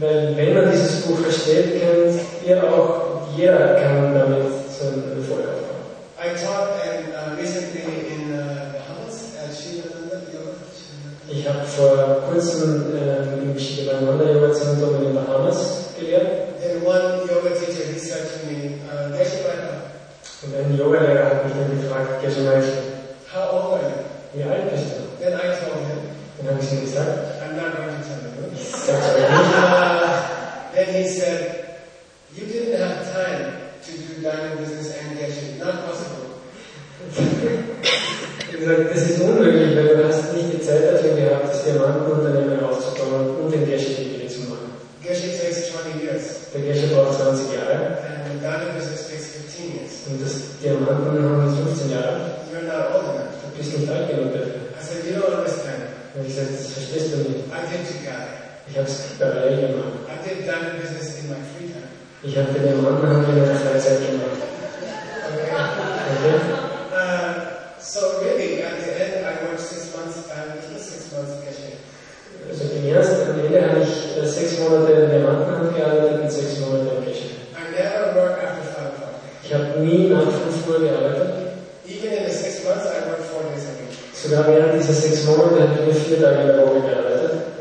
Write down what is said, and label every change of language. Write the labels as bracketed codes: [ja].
[de] Weil wenn man dieses Buch versteht, könnt ihr auch jeder kann damit so einen Erfolg haben. [en] I talked recently in Bahamas at Chidananda Yoga. [de] Ich habe vor kurzem im Chidananda Yoga Zentrum in Bahamas gelehrt. [en] And one yoga teacher, he said to me, Geshe-Maitre. [de] Und ein Yoga-Lehrer hat mich dann gefragt, Geshe-Maitre. [en] How old are you? [de] Wie alt bist du? [en] Then I told him. [de] Dann habe ich ihm gesagt. [en] I'm not going to tell you. [de] Ich sage es nicht. [en] Then he said, you didn't have time to do diamond business and Geshe. Not possible. [de] Er hat gesagt, das ist unmöglich, weil du hast nicht die Zeit dafür gehabt, das Diamantenunternehmen aufzubauen und den Geshe wieder zu machen. [en] Geshe takes 20 years. [de] Der Geshe braucht 20 Jahre. [en] And the diamond business takes 15 years. [de] Und das Diamantenunternehmen ist 15 Jahre. [en] You're not old enough. [de] Du bist nicht alt genug dafür. [en] I said, you don't understand. [de] Er hat gesagt, das verstehst du nicht. [en] I think you got it. [de] Ich habe es parallel gemacht. [en] I did diamond business in my free time. [de] Ich habe den Diamantenhandel in meiner Freizeit gemacht. [en] Okay. So really, at the end, I worked 6 months, at least 6 months Geshe. [de] Also im Ernst, am Ende habe ich 6 Monate in Diamantenhandel gearbeitet und 6 Monate in Geshe. [en] I never worked after 5 o'clock. [de] Ich habe nie nach 5 Uhr gearbeitet. [en] Even in the 6 months, I worked 4 days a week. [de] Sogar während dieser 6 Monate habe ich 4 Tage in der Woche gearbeitet.